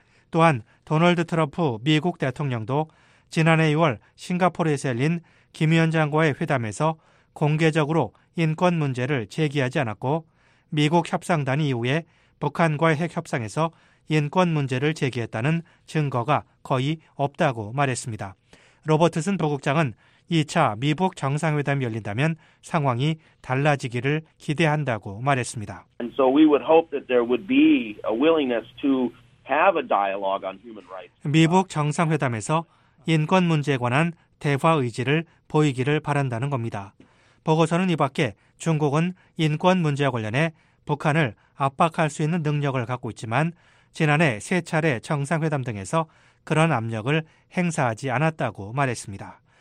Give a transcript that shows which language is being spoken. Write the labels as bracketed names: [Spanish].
[Korean] 또한 도널드 트럼프 미국 대통령도 지난해 2월 싱가포르에서 열린 김 위원장과의 회담에서 공개적으로 인권 문제를 제기하지 않았고 미국 협상단이 이후에 북한과의 핵협상에서 인권 문제를 제기했다는 증거가 거의 없다고 말했습니다. 로버트슨 부국장은 2차 미북 정상회담이 열린다면 상황이 달라지기를 기대한다고 말했습니다. [English] And so we would hope that there would be a willingness to have a dialogue on human rights. [Korean] 미북 정상회담에서 인권 문제에 관한 대화 의지를 보이기를 바란다는 겁니다. 보고서는 이 밖에 중국은 인권 문제와 관련해 북한을 압박할 수 있는 능력을 갖고 있지만 지난해 세 차례 정상회담 등에서 그런 압력을 행사하지 않았다고 말했습니다.